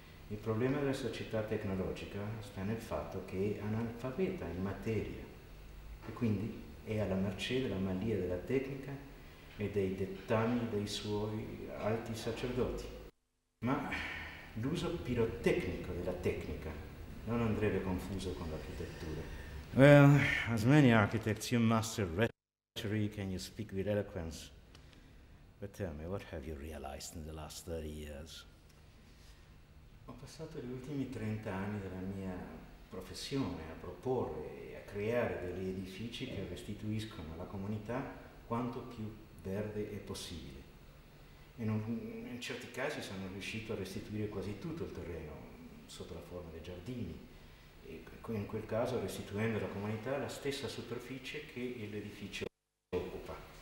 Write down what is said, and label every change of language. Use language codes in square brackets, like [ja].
[it] Il problema della società tecnologica sta nel fatto che è analfabeta in materia e quindi è alla mercé della malia della tecnica e dei dettami dei suoi alti sacerdoti. Ma l'uso pirotecnico della tecnica non andrebbe confuso con l'architettura. [en] Well, as many architects, you master rhetoric and you speak with eloquence. But tell me, what have you realized in the last 30 years? [it] Ho passato gli ultimi 30 anni della mia professione a proporre e a creare degli edifici che restituiscono alla comunità quanto più verde è possibile. In certi casi sono riuscito a restituire quasi tutto il terreno sotto la forma dei giardini, e in quel caso restituendo alla comunità la stessa superficie che l'edificio occupa.